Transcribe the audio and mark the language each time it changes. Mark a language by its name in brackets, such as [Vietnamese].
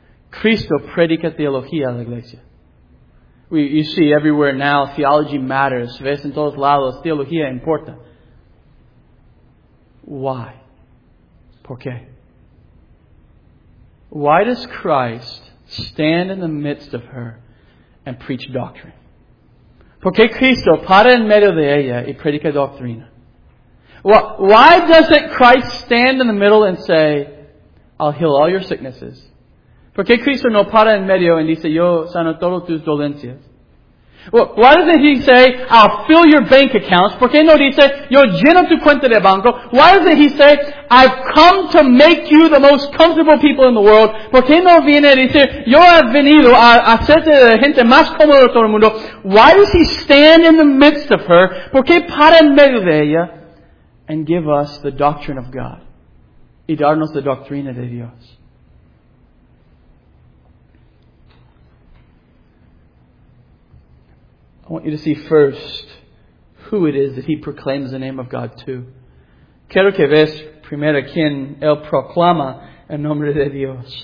[Spanish] Cristo predica teología a la iglesia. [English] You see everywhere now, theology matters. [Spanish] Ves en todos lados, teología importa. [English] Why? [Spanish] ¿Por qué? [English] Why does Christ stand in the midst of her and preach doctrine? [Spanish] ¿Por qué Cristo para en medio de ella y predica doctrina? [English] Why doesn't Christ stand in the middle and say, I'll heal all your sicknesses? [Spanish] ¿Por qué Cristo no para en medio y dice, yo sano todas tus dolencias? [English] Why doesn't He say, I'll fill your bank accounts? [Spanish] ¿Por qué no dice, yo lleno tu cuenta de banco? [English] Why doesn't He say, I've come to make you the most comfortable people in the world? [Spanish] ¿Por qué no viene y dice, yo he venido a hacerte la gente más cómoda de todo el mundo? [English] Why does He stand in the midst of her? [Spanish] ¿Por qué para en medio de ella [English] and give us the doctrine of God? [Spanish] Y darnos la doctrina de Dios. [English] I want you to see first who it is that He proclaims the name of God to. [Spanish] Quiero que veas primero quien Él proclama el nombre de Dios.